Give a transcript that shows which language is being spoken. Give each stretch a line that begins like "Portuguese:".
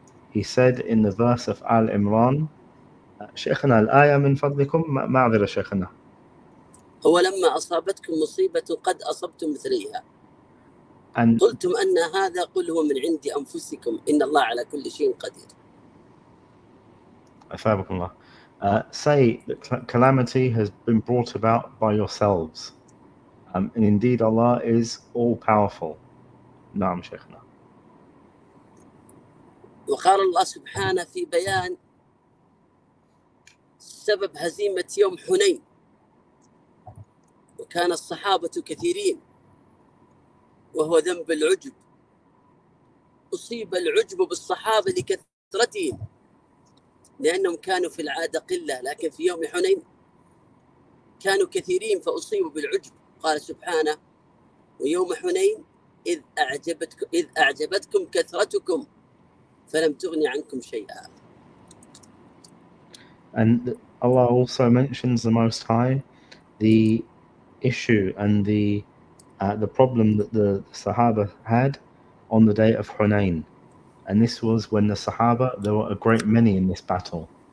English: He said in the verse of Al Imran,
Arabic: شيخنا الآية من فضلكم ما عذر شيخنا. هو لما أصابتكم مصيبة قد أصبتم مثليها. قلتم أن هذا قل هو من عندي أنفسكم إن الله على كل شيء قدير. أثابكم الله.
English: Say the calamity has been brought about by yourselves. And indeed Allah is all powerful.
Arabic: نعم شيخنا. وقال الله سبحانه في بيان سبب هزيمة يوم حنين وكان الصحابة كثيرين وهو ذنب العجب أصيب العجب بالصحابة لكثرتهم لأنهم كانوا في العادة قلة لكن في يوم حنين كانوا كثيرين فأصيبوا بالعجب قال سبحانه ويوم حنين إذ أعجبتكم كثرتكم فلم تغن عنكم شيئا.
English: Allah also mentions the Most High, the issue and the problem that the Sahaba had on the day of Hunayn. And this was when the Sahaba, there were a great many in this battle.